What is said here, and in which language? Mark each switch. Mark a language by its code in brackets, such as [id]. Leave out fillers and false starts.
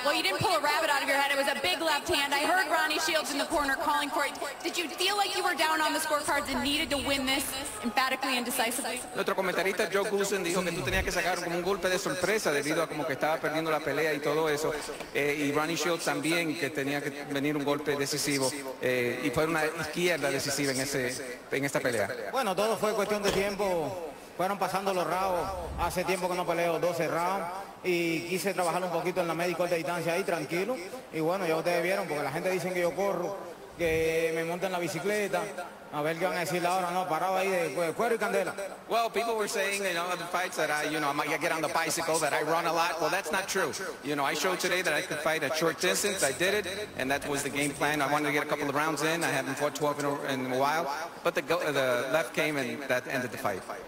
[en] Well, you didn't pull a rabbit out of your head. It was a big left hand. I heard Ronnie Shields in the corner calling for it. Did you feel like you were down on the scorecards and needed to win this emphatically and decisively? [es] Nuestro comentarista Joe Goosen dijo que tú tenías que sacar como un golpe de sorpresa debido a como que estaba perdiendo la pelea y todo eso. Y Ronnie Shields también que tenía que venir un golpe decisivo y fue una izquierda decisiva en ese en esta pelea. Bueno, todo fue cuestión de tiempo. Fueron pasando los rounds, hace tiempo que no peleo 12 rounds y quise trabajar un poquito en la media y corta distancia ahí, tranquilo. Y bueno, ya ustedes vieron, porque la gente dice que yo corro, que me monten la bicicleta. A ver qué van a decir ahora, no, parado ahí de cuero y candela. [en] Well, people were saying, you know, the fights that I, you know, I might get on the bicycle, that I run a lot. Well, that's not true. You know, I showed today that I could fight a short distance. I did it, and that was the game plan. I wanted to get a couple of rounds in. I haven't fought 12 in a while. But the left came, and that ended the fight.